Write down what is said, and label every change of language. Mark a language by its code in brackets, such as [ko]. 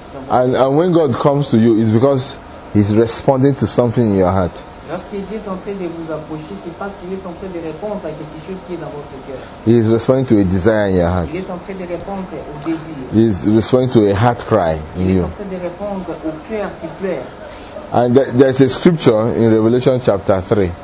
[en] And when God comes to you, it's because he's responding to something in your heart. [fr] Lorsqu'il est en train de vous approcher, c'est parce qu'il est en train de répondre à quelque chose qui est dans votre cœur. [en] He is responding to a desire in your heart. [fr] Il est en train de répondre au désir. [en] He is responding to a heart cry in you. [fr] Il est en train de répondre au cœur qui pleure. [en] And there's a scripture in Revelation chapter 3.